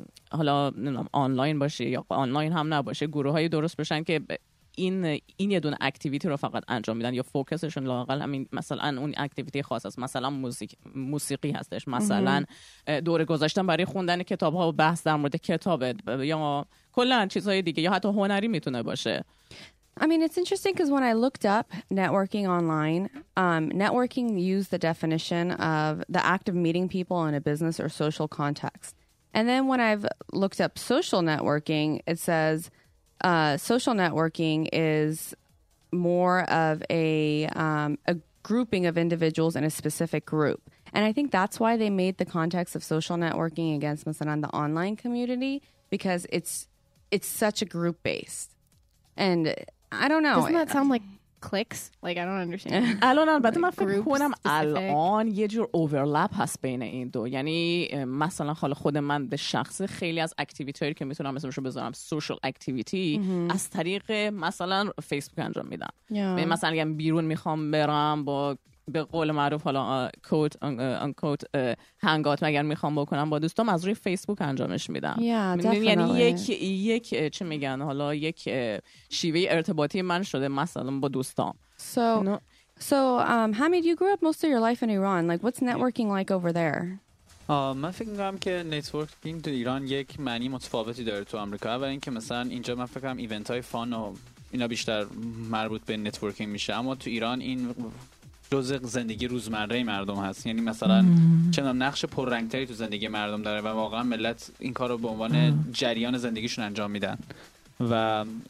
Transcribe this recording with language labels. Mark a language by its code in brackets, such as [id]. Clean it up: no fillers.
[fa] حالا نمیدونم آنلاین باشه یا آنلاین هم نباشه گروه های درست بشن که این یه دونه اکتیویتی رو فقط انجام میدن یا فوکسشون لااقل همین مثلا اون اکتیویتی خاص است مثلا موسیقی هستش مثلا دوره گذاشتن برای خوندن کتاب ها و بحث در مورد کتاب یا کلا چیزهای دیگه یا حتی هنری میتونه باشه. [en] I mean, it's interesting because when I looked up networking online, networking used the definition of the act of meeting people in a business or social context. And then when I've looked up social networking, it says social networking is more of a grouping of individuals in a specific group. And I think that's why they made the context of social networking against مثلا the online community, because it's such a group based. And I don't know. Doesn't that sound like cliques? Like, I don't understand. [fa] الان البته من فکر کنم الان یه جور اوورلپ هست بین این دو. یعنی مثلا حال خود من به شخص خیلی از اکتیویتی که میتونم اسمشو بذارم سوشال اکتیویتی از طریق مثلا فیسبوک انجام میدم. [en] Yeah. [fa] مثلا اگه بیرون میخوام برم با به قول معروف حالا کوت ان کوت هنگات مگر میخوام بکنم با دوستام از روی فیسبوک انجامش میدم یعنی یک چه میگن حالا یک شیوه ارتباطی من شده مثلا با دوستام. [en] So Hamid, you grew up most of your life in Iran, like what's networking like over there? [fa] من فکر میکنم که نتورکینگ تو ایران یک معنی متفاوتی داره تو آمریکا و اینکه مثلا اینجا من فکر میکنم ایونت های فان و اینا بیشتر مربوط به نتورکینگ میشه اما تو ایران این جزء زندگی روزمره مردم هست یعنی مثلا چنان نقش پررنگتری تو زندگی مردم داره و واقعا ملت این کار رو به عنوان جریان زندگیشون انجام میدن و